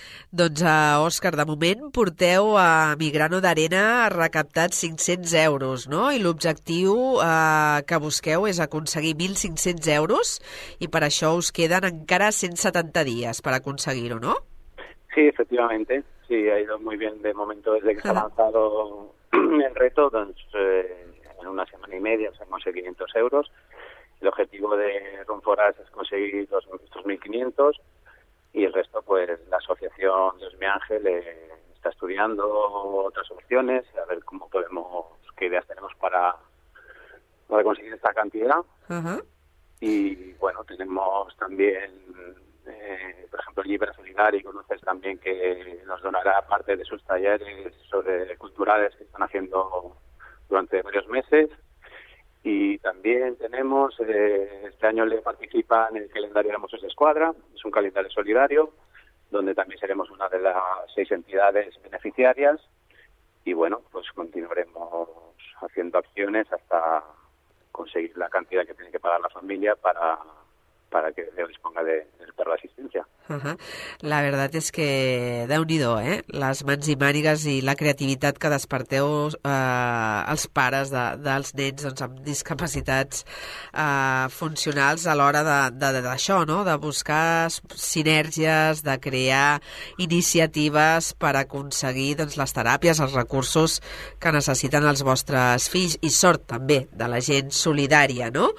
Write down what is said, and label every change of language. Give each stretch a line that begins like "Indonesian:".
Catalan: Doncs, Òscar, de moment porteu a Migrano d'Arena recaptat 500 euros, no? I l'objectiu que busqueu és aconseguir 1.500 euros i per això us queden encara 170 dies per aconseguir-ho, no?
Spanish: Sí, efectivamente. Sí, ha ido muy bien de momento desde que se ha lanzado el reto. Doncs, en una semana y media se han conseguido 500 euros. El objetivo de Run for Us es conseguir estos 1.500 y el resto, pues, la asociación Dios Mi Ángel está estudiando otras opciones, a ver cómo podemos, qué ideas tenemos para conseguir esta cantidad. Uh-huh. Y, bueno, tenemos también, por ejemplo, Libra Solidari, conoces también, que nos donará parte de sus talleres sobre culturales que están haciendo durante varios meses. Y también tenemos, este año le participa en el calendario de la Mossos d'Esquadra, es un calendario solidario, donde también seremos una de las 6 entidades beneficiarias, y bueno, pues continuaremos haciendo acciones hasta conseguir la cantidad que tiene que pagar la familia para que Dios disponga del perro de asistencia. La verdad es que, déu-n'hi-do, eh?
Catalan: Les mans i mànigues i la creativitat que desperteu els pares dels nens, doncs, amb discapacitats funcionals a l'hora d'això, no? De buscar sinergies, de crear iniciatives per aconseguir, doncs, les teràpies, els recursos que necessiten els vostres fills, i sort també de la gent solidària, no?